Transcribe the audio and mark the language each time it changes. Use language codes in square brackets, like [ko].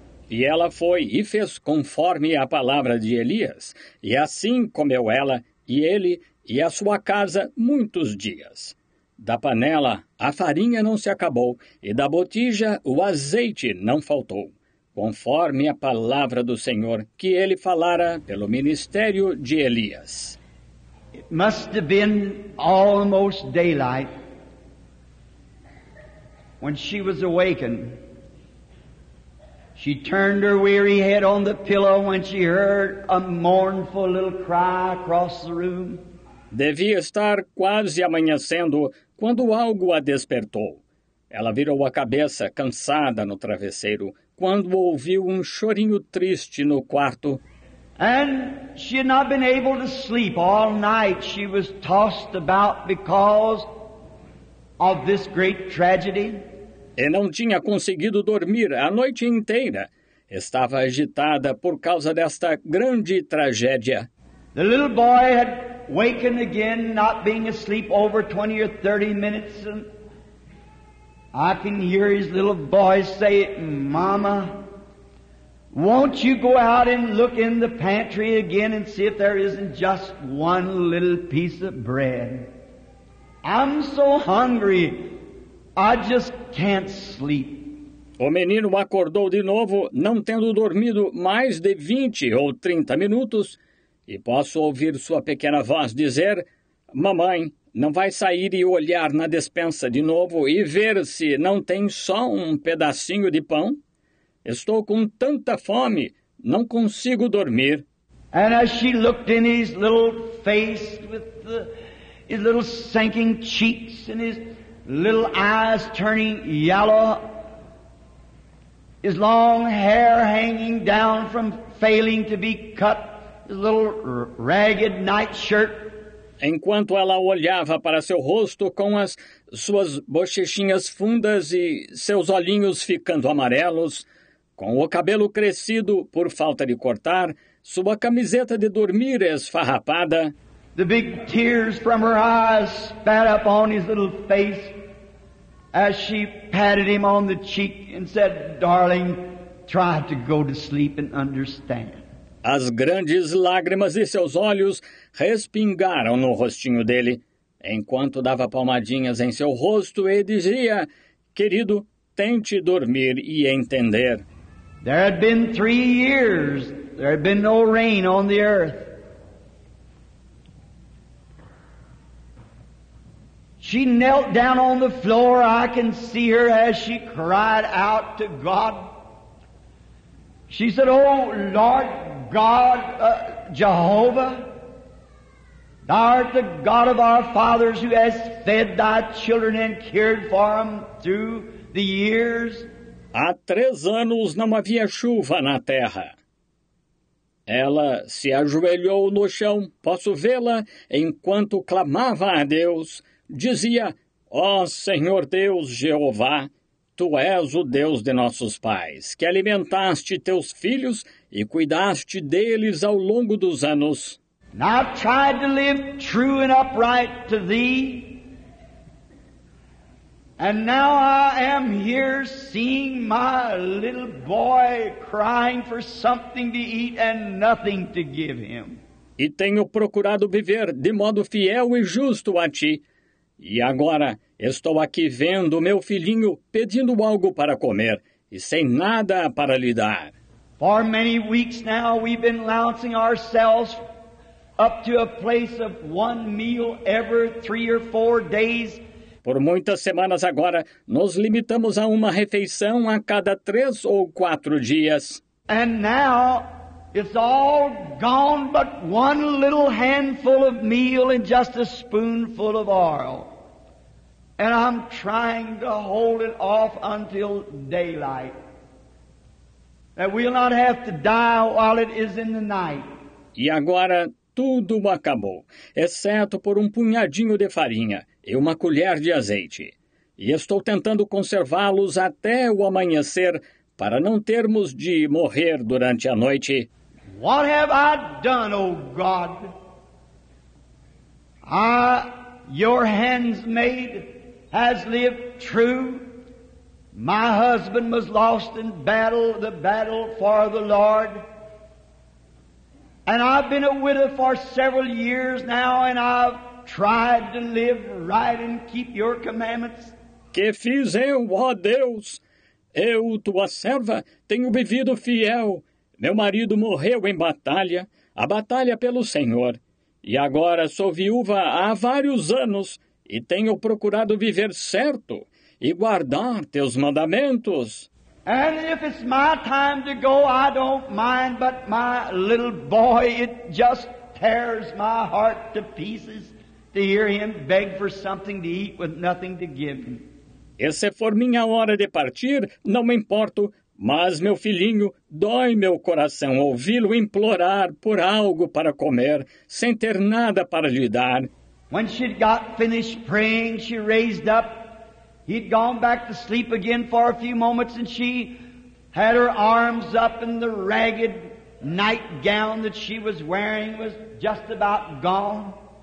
[pt] E ela foi e fez conforme a palavra de Elias, e assim comeu ela, e ele, e a sua casa, muitos dias. Da panela a farinha não se acabou, e da botija o azeite não faltou, conforme a palavra do Senhor que ele falara pelo ministério de Elias. [en] It must have been almost daylight when she was awakened. She turned her weary head on the pillow when she heard a mournful little cry across the room. [pt] Devia estar quase amanhecendo quando algo a despertou. Ela virou a cabeça cansada no travesseiro quando ouviu um chorinho triste no quarto. [en] And she had not been able to sleep all night. She was tossed about because of this great tragedy. [pt] E não tinha conseguido dormir a noite inteira. Estava agitada por causa desta grande tragédia. [en] The little boy had wakened again, not being asleep over 20 or 30 minutes. And I can hear his little boy say, Mama, won't you go out and look in the pantry again and see if there isn't just one little piece of bread? I'm so hungry. I just can't sleep. [pt] O menino acordou de novo, não tendo dormido mais de 20 ou 30 minutos, e posso ouvir sua pequena voz dizer, Mamãe, não vai sair e olhar na despensa de novo e ver se não tem só um pedacinho de pão? Estou com tanta fome, não consigo dormir. [en] And as she looked in his little face with his little sinking cheeks and his little eyes turning yellow, his long hair hanging down from failing to be cut, his little ragged nightshirt. [pt] Enquanto ela olhava para seu rosto com as suas bochechinhas fundas e seus olhinhos ficando amarelos, com o cabelo crescido por falta de cortar, sua camiseta de dormir esfarrapada. [en] The big tears from her eyes spat up on his little face. As she patted him on the cheek and said, Darling, try to go to sleep and understand. [pt] As grandes lágrimas de seus olhos respingaram no rostinho dele, enquanto dava palmadinhas em seu rosto e dizia, Querido, tente dormir e entender. [en] There had been 3 years, there had been no rain on the earth. She knelt down on the floor. I can see her as she cried out to God. She said, Oh, Lord God, Jehovah, Thou art the God of our fathers who has fed thy children and cared for them through the years. [pt] Há 3 anos não havia chuva na terra. Ela se ajoelhou no chão, posso vê-la, enquanto clamava a Deus. Dizia, ó Senhor Deus Jeová, Tu és o Deus de nossos pais, que alimentaste Teus filhos e cuidaste deles ao longo dos anos. [en] Now tried to live true and upright to Thee, and now I am here seeing my little boy crying for something to eat and nothing to give him. [pt] E tenho procurado viver de modo fiel e justo a Ti, e agora estou aqui vendo meu filhinho pedindo algo para comer e sem nada para lhe dar. [en] For many weeks now we've been lancing ourselves up to a place of one meal every 3 or 4 days. [pt] Por muitas semanas agora, nos limitamos a uma refeição a cada 3 ou 4 dias. [en] And now, it's all gone but one little handful of meal and just a spoonful of oil. And I'm trying to hold it off until daylight. That we'll not have to die while it is in the night. [pt] E agora, tudo acabou, exceto por um punhadinho de farinha e uma colher de azeite. E estou tentando conservá-los até o amanhecer, para não termos de morrer durante a noite. [en] What have I done, O God? I, Your handmaid, has lived true. My husband was lost in battle, the battle for the Lord. And I've been a widow for several years now, and I've tried to live right and keep Your commandments. [pt] Que fiz eu, ó Deus? Eu, Tua serva, tenho vivido fiel. Meu marido morreu em batalha, a batalha pelo Senhor. E agora sou viúva há vários anos, e tenho procurado viver certo e guardar Teus mandamentos. [en] And if it's my time to go, I don't mind, but my little boy, it just tears my heart to pieces to hear him beg for something to eat with nothing to give him. [pt] E se for minha hora de partir, não me importo, mas, meu filhinho, dói meu coração ouvi-lo implorar por algo para comer, sem ter nada para lhe dar. [en] When she'd got finished praying, she raised up. He'd gone back to sleep again for a few moments, and she had her arms up, and the ragged nightgown that she was wearing was just about gone.